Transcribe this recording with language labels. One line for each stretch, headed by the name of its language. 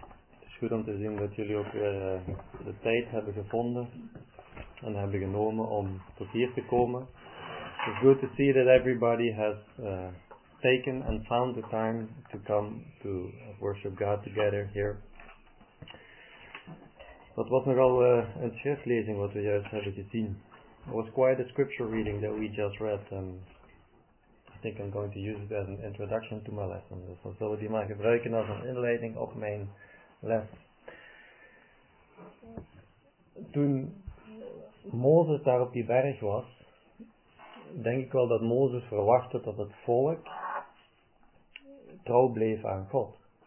Dutch: Het is goed om te zien dat jullie ook weer de tijd hebben gevonden en hebben genomen om tot hier te komen.
English: It's good to see that everybody has taken and found the time to come to worship God together here.
Dutch: Dat was nogal een schriftlezing wat we juist hebben gezien.
English: It was quite a scripture reading that we just read. I think I'm going to use it as an introduction to my lesson.
Dutch: Dus dan zullen we die maar gebruiken als een inleiding op mijn les. Toen Mozes daar op die berg was, denk ik wel dat Mozes verwachtte dat het volk trouw bleef aan God.